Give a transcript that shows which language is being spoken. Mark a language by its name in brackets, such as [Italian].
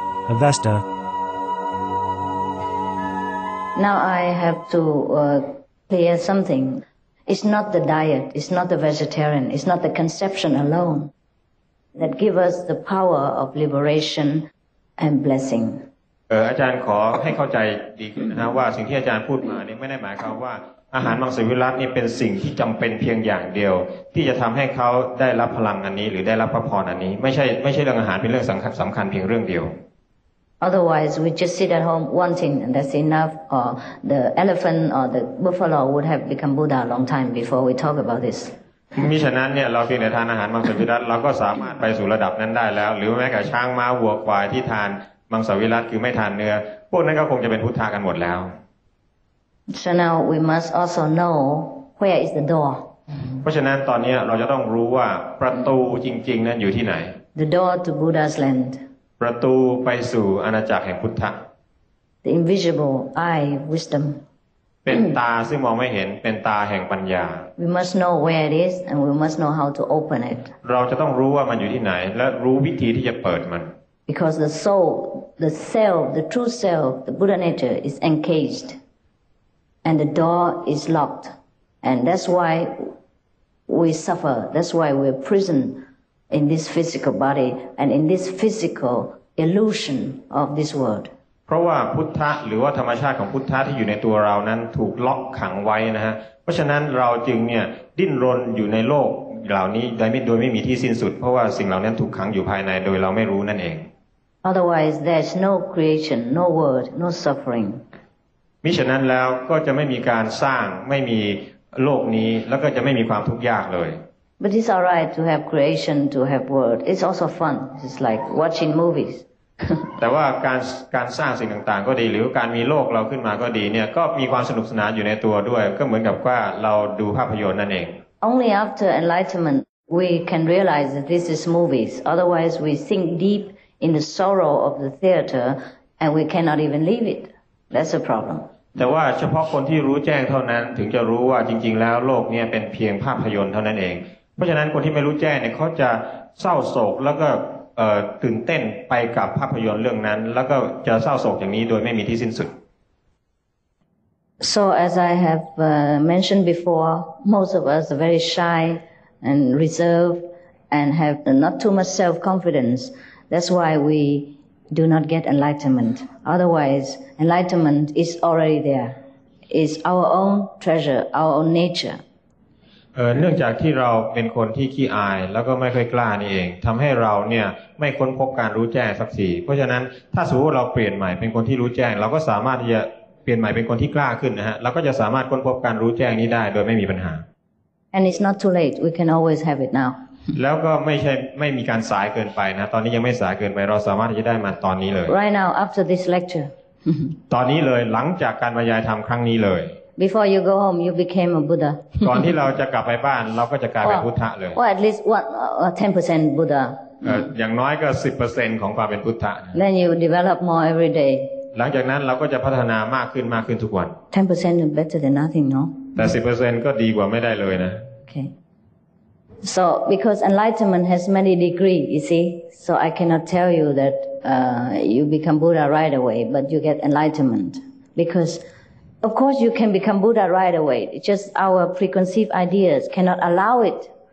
[English] Avesta. Now I have to clear something. It's not the diet, it's not the vegetarian, it's not the conception alone that gives us the power of liberation and blessing. [Thai] อาจารย์ขอให้เข้าใจดีขึ้นนะว่าสิ่งที่อาจารย์พูดมานี่ไม่ได้หมายความว่าอาหารมังสวิรัตินี่เป็นสิ่งที่จำเป็นเพียงอย่างเดียวที่จะทำให้เขาได้รับพลังอันนี้หรือได้รับพระพรอันนี้ไม่ใช่เรื่องอาหารเป็นเรื่องสำคัญเพียงเรื่องเดียว [English] Otherwise, we just sit at home wanting, and that's enough. Or the elephant or the buffalo would have become Buddha a long time before we talk about this. [Thai] มิฉะนั้นเนี่ยเราเพียงแต่ทานอาหารมังสวิรัติเราก็สามารถไปสู่ระดับนั้นได้แล้วหรือแม้แต่ช้างม้าวัวควายที่ทานมังสวิรัติคือไม่ทานเนื้อพวกนั้นก็คงจะเป็นพุทธากันหมดแล้ว [English] So now we must also know where is the door. [Thai] เพราะฉะนั้นตอนนี้เราจะต้องรู้ว่าประตูจริงๆนั้นอยู่ที่ไหน [English] The door to Buddha's land. [Thai] ประตูไปสู่อาณาจักรแห่งพุทธะ [English] The invisible eye wisdom [Thai] เป็นตาซึ่งมองไม่เห็นเป็นตาแห่งปัญญา [English] We must know where it is and we must know how to open it [Thai] เราจะต้องรู้ว่ามันอยู่ที่ไหนและรู้วิธีที่จะเปิดมัน [English] Because the soul the self the true self the Buddha nature is encased and the door is locked and that's why we suffer that's why we're prisonedin this physical body and in this physical illusion of this world [Thai] เพราะว่าพุทธะหรือว่าธรรมชาติของพุทธะที่อยู่ในตัวเรานั้นถูกล็อกขังไว้นะฮะเพราะฉะนั้นเราจึงเนี่ยดิ้นรนอยู่ในโลกเหล่านี้โดยไม่มีที่สิ้นสุดเพราะว่าสิ่งเหล่านั้นถูกขังอยู่ภายในโดยเราไม่รู้นั่นเอง [English] Otherwise there's no creation no world no suffering [Thai] มิฉะนั้นแล้วก็จะไม่มีการสร้างไม่มีโลกนี้แล้วก็จะไม่มีความทุกข์ยากเลย [English] But it's all right to have creation, to have world. It's also fun. It's like watching movies. [Thai] แต่ว่าการสร้างสิ่งต่างๆก็ดีหรือการมีโลกเราขึ้นมาก็ดีเนี่ยก็มีความสนุกสนานอยู่ในตัวด้วยก็เหมือนกับว่าเราดูภาพยนตร์นั่นเอง [English] Only after enlightenment we can realize that this is movies. Otherwise we sink deep in the sorrow of the theater and we cannot even leave it. That's a problem. [Thai] แต่ว่าเฉพาะคนที่รู้แจ้งเท่านั้นถึงจะรู้ว่าจริงๆแล้วโลกนี้เป็นเพียงภาพยนตร์เท่านั้นเองเพราะฉะนั้นคนที่ไม่รู้แจ้งเนี่ยเขาจะเศร้าโศกแล้วก็ตื่นเต้นไปกับภาพยนตร์เรื่องนั้นแล้วก็จะเศร้าโศกอย่างนี้โดยไม่มีที่สิ้นสุด [English] So as I have mentioned before most of us are very shy and reserved and have not too much self confidence that's why weDo not get enlightenment. Otherwise, enlightenment is already there. It's our own treasure, our own nature. [Thai] เนื่องจากที่เราเป็นคนที่ขี้อายแล้วก็ไม่ค่อยกล้านี่เองทำให้เราเนี่ยไม่ค้นพบการรู้แจ้งสักทีเพราะฉะนั้นถ้าสมมติเราเปลี่ยนใหม่เป็นคนที่รู้แจ้งเราก็สามารถที่จะเปลี่ยนใหม่เป็นคนที่กล้าขึ้นนะฮะเราก็จะสามารถค้นพบการรู้แจ้งนี้ได้โดยไม่มีปัญหา [English] And it's not too late. We can always have it now. [Thai] แล้วก็ไม่มีการสายเกินไปนะตอนนี้ยังไม่สายเกินไปเราสามารถที่จะได้มาตอนนี้เลย [English] Right now after this lecture [Thai] ตอนนี้เลยหลังจากการบรรยายธรรมครั้งนี้เลย [English] Before you go home you became a Buddha [Thai] ก่อนที่เราจะกลับไปบ้านเราก็จะกลายเป็นพุทธะเลย [English] Well at least what 10% Buddha [Thai] อย่างน้อยก็ 10% ของความเป็นพุทธะ [English] Then you develop more every day [Thai] หลังจากนั้นเราก็จะพัฒนามากขึ้นมากขึ้นทุกวัน [English] 10% is better than nothing no [Thai] แต่ 10% ก็ดีกว่าไม่ได้เลยนะ [English] OkaySo, because enlightenment has many degrees, you see, so I cannot tell you that you become Buddha right away, but you get enlightenment. Because, of course, you can become Buddha right away. It's just our preconceived ideas cannot allow it.